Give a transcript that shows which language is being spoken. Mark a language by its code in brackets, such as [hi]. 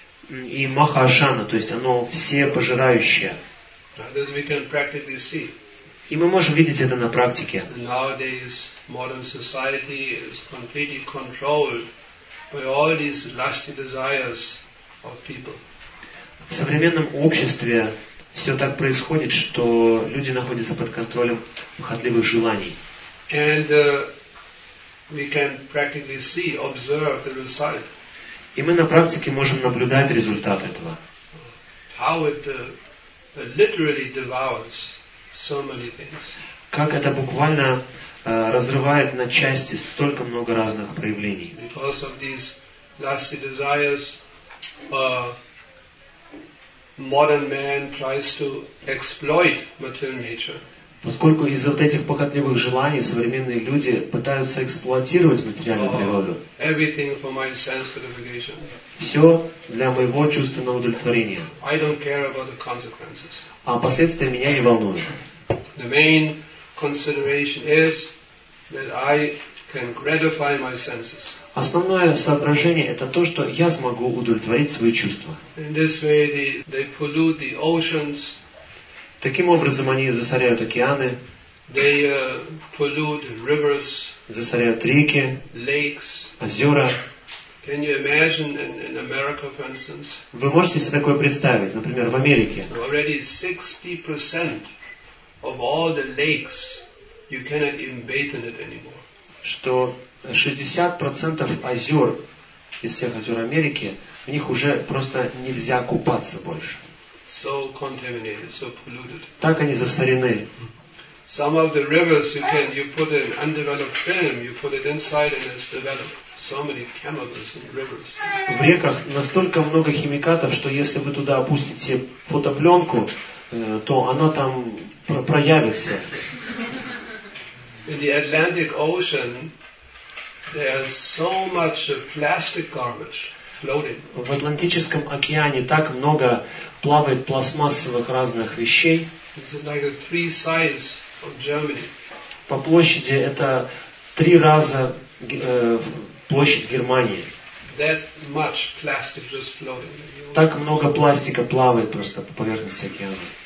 [ru] И Maha-ashana, то есть оно всепожирающее. [en] Now this we can practically see. [ru] И мы можем видеть это на практике. [en] Nowadays, modern society is completely controlled by all these lusty desires of people. [ru] В современном обществе все так происходит, что люди находятся под контролем похотливых желаний. [en] And we can practically see, observe the result. [ru] И мы на практике можем наблюдать результат этого. [en] How it literally devours. So many things. [ru] Как это буквально разрывает на части столько много разных проявлений. [en] Because of these lusty desires, modern man tries to exploit material nature. [ru] Поскольку из-за вот этих похотливых желаний современные люди пытаются эксплуатировать материальную природу. [en] Everything for my sense gratification. [ru] Все для моего чувственного удовлетворения. [en] I don't care about the consequences. [ru] А последствия меня не волнуют. [en] The main consideration is that I can gratify my senses. [ru] Основное соображение это то, что я смогу удовлетворить свои чувства. [en] In this way, they pollute the oceans. [ru] Таким образом, они засоряют океаны. [en] They pollute rivers. [ru] Засоряют реки. [en] Lakes. [ru] Озера. [en] Can you imagine in America, for instance? [ru] Вы можете себе такое представить, например, в Америке? [en] Already 60%. Of all the lakes, you cannot even bathe in it anymore. [ru] Что 60% озер из всех озер Америки в них уже просто нельзя купаться больше. [en] So contaminated, so polluted. [ru] Так они засорены. [en] Some of the rivers you put an undeveloped film, you put it inside and it's developed. So many chemicals in rivers. [ru] В реках настолько много химикатов, что если вы туда опустите фотопленку, то она там проявится. [en] In the Atlantic Ocean, there's so much plastic garbage floating. [ru] В Атлантическом океане так много плавает пластмассовых разных вещей. [en] It's like three sizes of Germany. [ru] По площади это три раза площадь Германии. [en] That much plastic just floating. [ru] Так много пластика плавает просто по поверхности океана.